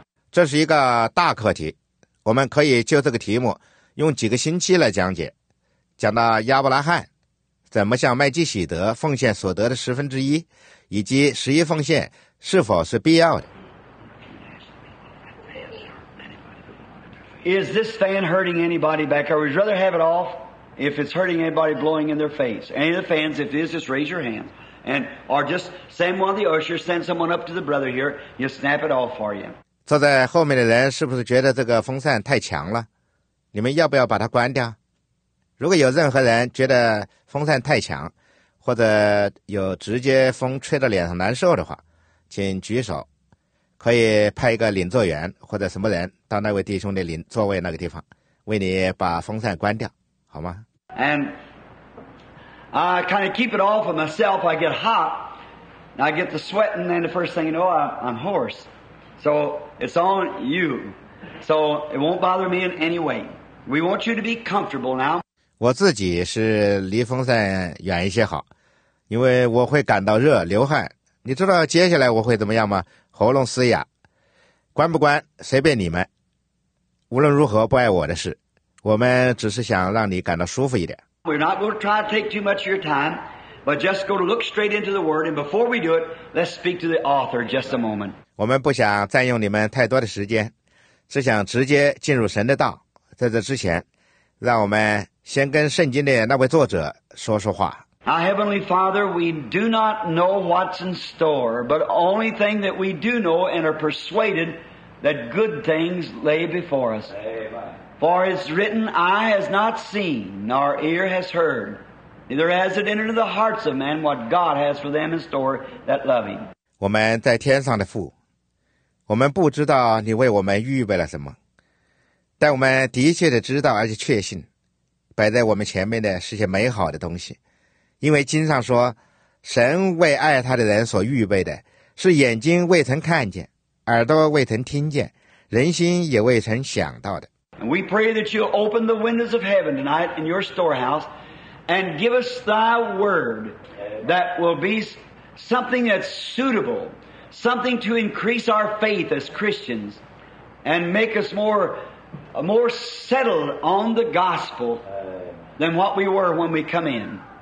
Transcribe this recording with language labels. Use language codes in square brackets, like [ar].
[zh] 这是一个大课题，我们可以就这个题目用几个星期来讲解，讲到亚伯拉罕怎么向麦基洗德奉献所得的十分之一，以及十一奉献是否是必要的。 [en] Is this fan hurting anybody back? I would rather have it off if it's hurting anybody blowing in their face. Any of the fans, if it is, just raise your hand. And, or just send one of the ushers, send someone up to the brother here, he'll snap it off for you. [zh] 坐在后面的人是不是觉得这个风扇太强了？你们要不要把它关掉？如果有任何人觉得风扇太强，或者有直接风吹到脸上难受的话，请举手，可以派一个领座员或者什么人到那位弟兄的领座位那个地方，为你把风扇关掉，好吗 [en] ？And I kind of keep it off of myself. I get hot, and I get the sweating, and the first thing you know, I'm hoarse. So it's on you. So it won't bother me in any way. We want you to be comfortable now. [zh] 我自己是离风扇远一些好，因为我会感到热流汗。你知道接下来我会怎么样吗？喉咙嘶哑。关不关随便你们，无论如何不碍我的事，我们只是想让你感到舒服一点。 [en] We're not going to try to take too much of your time, but just go to look straight into the word, and before we do it, let's speak to the author just a moment. [zh] 我们不想占用你们太多的时间，只想直接进入神的道。在这之前，让我们先跟圣经的那位作者说说话。 [en] Our Heavenly Father, we do not know what's in store, but only thing that we do know and are persuaded that good things lay before us. Amen. For it's written, eye has not seen, nor ear has heard, neither has it entered into the hearts of men what God has for them in store that love Him. [zh] 我们在天上的父，我们不知道你为我们预备了什么。但我们的确的知道而且确信，摆在我们前面的是些美好的东西，因为经上说，神为爱他的人所预备的是眼睛未曾看见，耳朵未曾听见，人心也未曾想到的。 [en] We pray that you open the windows of heaven tonight in your storehouse and give us thy word that will be something that's suitable, something to increase our faith as Christians and make us more settled on the gospel than what we were when we come in.